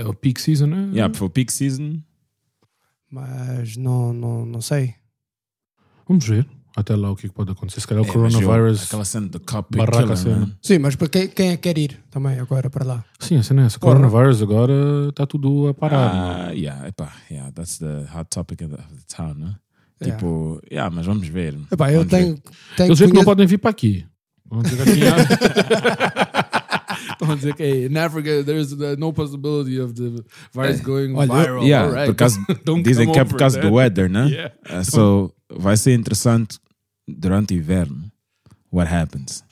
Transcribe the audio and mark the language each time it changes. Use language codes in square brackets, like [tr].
[pt] É o [en] peak season, [pt] né? [en] Yeah, for peak season. [pt] Mas não sei. Vamos ver até lá o que pode acontecer. Se calhar o coronavírus. Aquela cena do Copic. Sim, mas para quem quer ir também agora para lá? Sim, a cena é essa. Coronavírus agora está tudo a parar. [en] That's the hot topic of the town, né? [pt] Tipo, mas vamos ver. Epá, eu vamos tenho. Eles dizem que não podem vir para aqui. Vamos dizer que em África [en] there's no possibility of the virus going viral. Yeah, right. [pt] Por causa, dizem que é por causa do [en] weather, [pt] né? [en] Yeah. [pt] So, vai ser interessante durante o inverno. [en] What happens?